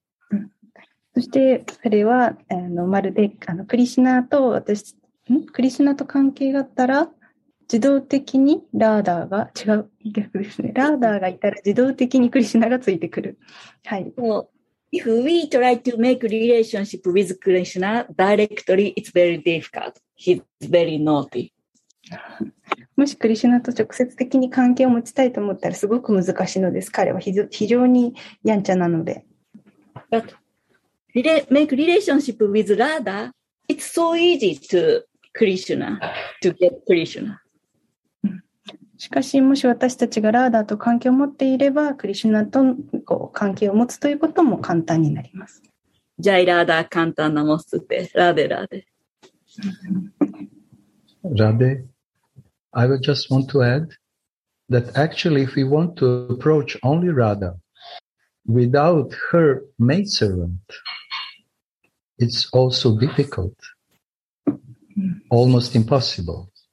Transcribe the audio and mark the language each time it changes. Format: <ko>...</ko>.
<ja>うん、そしてそれはまるでクリシナと私んクリシナと関係があったら自動的にラーダーが違う逆ですね。ラーダーがいたら自動的にクリシュナがついてくる。はい。</ja> <en>So, if we try to make relationship with Krishna directly, it's very difficult. He's very naughty.</en> <ja>もしクリシュナと直接的に関係を持ちたいと思ったらすごく難しいのです。彼は非常にやんちゃなので。</ja> <en>But make relationship with Radha, it's so easy to Krishna, to get Krishna.</en> <ja>しかしもし私たちがラーダーと関係を持っていれば、クリシュナとこう関係を持つということも簡単になります。ジャイラーダー簡単なモスって、ラデラデ。</ja> <en>ラデ、I would just want to add that actually if we want to approach only Radha without her maidservant, it's also difficult, almost impossible.</en>